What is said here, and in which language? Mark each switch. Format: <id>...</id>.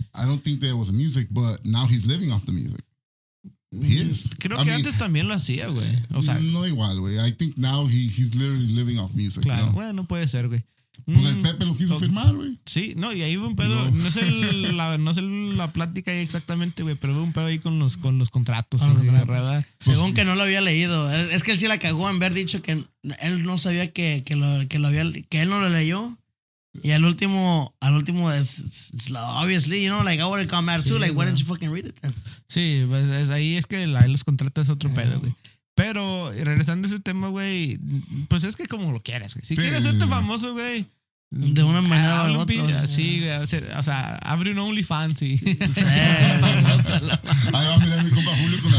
<en>I don't think there was music, but now he's living off the music. He is.</en> <es>Creo</es> <en>I</en> <es>que</es> <en>mean,</en> <es>antes también lo hacía, güey. O sea, no igual, güey.</es> <en>I think now he's literally living off music.</en> <es>Claro,</es> <en>you know?</en> <es>Bueno, no puede ser, güey. Pues el Pepe lo quiso firmar, güey. Sí, no, y ahí hubo un pedo. No, no sé la plática ahí exactamente, güey, pero hubo un pedo ahí con los contratos. Ah, así, verdad. Según pues, que no lo había leído. Es que él sí la cagó en haber dicho que él no sabía que lo había, que él no lo leyó. Y al último es</es> <en>obviously, you know, like I would have come out,</en> <es>sí,</es> <en>too, like, why didn't you fucking read it then?</en> <es>Sí, pues ahí es que ahí los contratos es otro pedo, güey. Pero regresando a ese tema, güey, pues es que como lo quieras, güey. Si quieres ser famoso, güey, de una manera o otra. Sí, güey. O sea, abre un OnlyFans. Sí. Ahí va a mirar mi compa Julio con la</es>